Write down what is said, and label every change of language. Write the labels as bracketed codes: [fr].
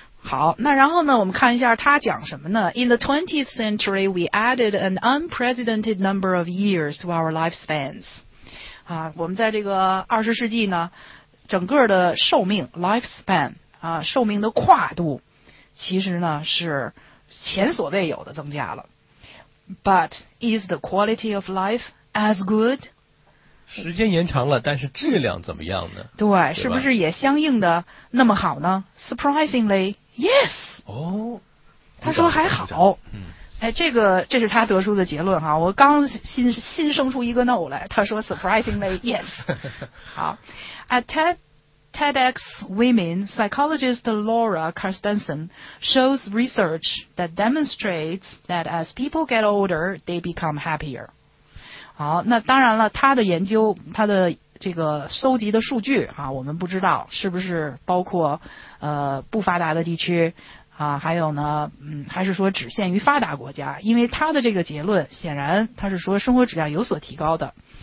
[zh] 好，那然后呢我们看一下他讲什么呢。 [en] In the 20th century we added an unprecedented number of years to our lifespans [zh] 啊，我们在这个20世纪呢整个的寿命 lifespan 啊，寿命的跨度其实呢是前所未有的增加了。 [en] But is the quality of life as good? [zh] 时间延长了，但是质量怎么样呢？对，对，是不是也相应的那么好呢？ [en] Surprisingly, yes. 哦， [zh] 他说还好。哎，这是他得出的结论哈。我刚新生出一个 no 来，他说 [en] surprisingly yes. 好 ，at TEDx Women psychologist Laura Carstensen shows research that demonstrates that as people get older, they become happier. [zh] 好，那当然了，他的研究，他的这个收集的数据啊，我们不知道是不是包括不发达的地区啊，还有呢，还是说只限于发达国家？因为他的这个结论显然他是说生活质量有所提高的。